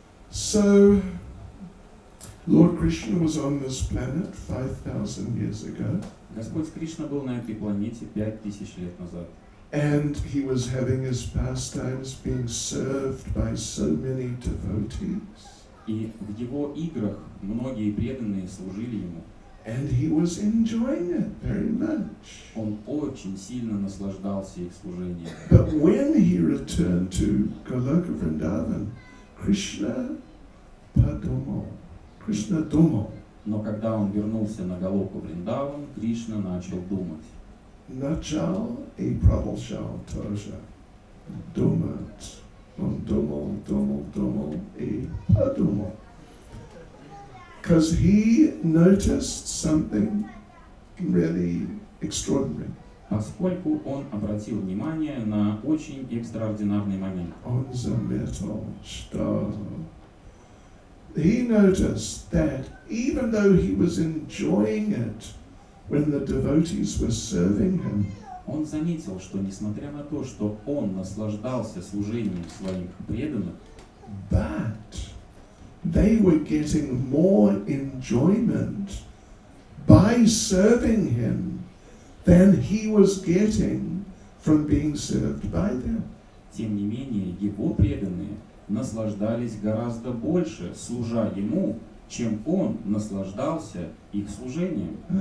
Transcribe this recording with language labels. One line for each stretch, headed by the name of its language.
English: So Lord Krishna was on this planet 5,000 years ago.
Russian: Господь Кришна был на этой планете 5,000 лет назад.
English: And he was having his pastimes being served by so many devotees.
Russian: И в его играх многие преданные служили ему.
English: And he was enjoying it very much.
Russian: Он очень сильно наслаждался их служением.
English: But when he returned to Goloka Vrindavan, Krishna
Russian: подумал. Кришна думал. Но когда он вернулся на Голоку Вриндаван, Кришна начал думать. Начал и продолжал тоже думать. Он думал, думал, думал и подумал.
English: Because he noticed something really extraordinary.
Russian: Поскольку он обратил внимание на очень экстраординарный момент. Он заметил, что...
English: He noticed that even though he was enjoying it when the devotees were serving him,
Russian: он заметил, что несмотря на то, что он наслаждался служением своих преданных,
English: but they were getting more enjoyment by serving him than he was getting from being served by them.
Russian: Тем не менее, его преданные наслаждались гораздо больше, служа ему, чем он наслаждался их служением.